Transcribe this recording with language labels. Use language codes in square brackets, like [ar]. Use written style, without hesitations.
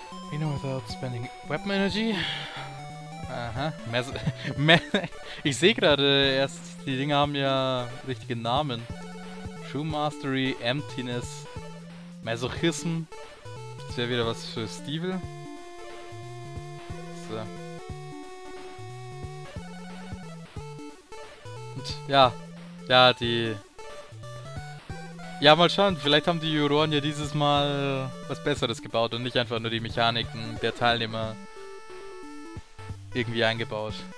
[en] You know, without spending weapon energy. Aha. [de] Ich sehe gerade erst, die Dinge haben ja richtige Namen. [en] True Mastery, Emptiness, Masochism. [de] Das wäre wieder was für Steve. So. Ja, die. Ja, mal schauen, vielleicht haben die Juroren ja dieses Mal was Besseres gebaut und nicht einfach nur die Mechaniken der Teilnehmer irgendwie eingebaut.